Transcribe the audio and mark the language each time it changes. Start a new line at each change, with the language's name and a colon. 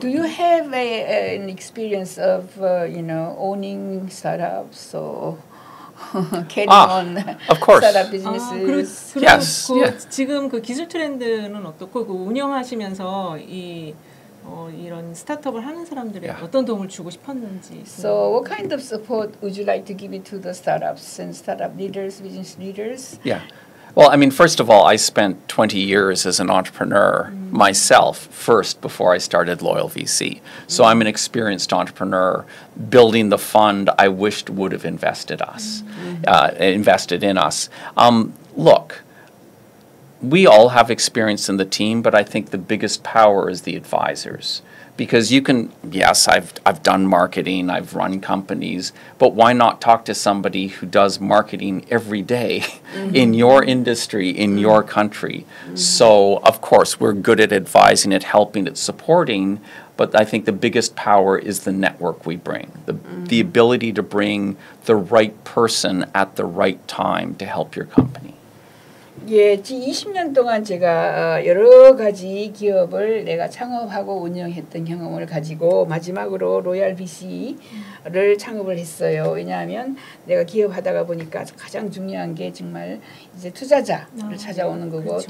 English: Do you have an experience of owning startups or carrying on of course. startup businesses?
Korean: 지금 그 기술 트렌드는 어떻고 그 운영하시면서 이런 스타트업을 하는 사람들에 어떤 도움을 주고 싶었는지.
English: So what kind of support would you like to give it to the startups and startup leaders, business leaders? Yeah. Well, I mean, first of all, I spent 20 years as an entrepreneur myself first before I started Loyal VC. So I'm an experienced entrepreneur building the fund I wished would have invested us, invested in us. Look, we all have experience in the team, but I think the biggest power is the advisors. Because you can, yes, I've done marketing, I've run companies, but why not talk to somebody who does marketing every day in your industry, in your country? So, of course, we're good at advising, at helping, at supporting, but I think the biggest power is the network we bring, the ability to bring the right person at the right time to help your company.
Korean: 예, 지금 20년 동안 제가 여러 가지 기업을 내가 창업하고 운영했던 경험을 가지고 마지막으로 로얄 VC를 창업을 했어요. 왜냐하면 내가 기업하다가 보니까 가장 중요한 게 정말 이제 투자자를 찾아오는 거고 그렇죠.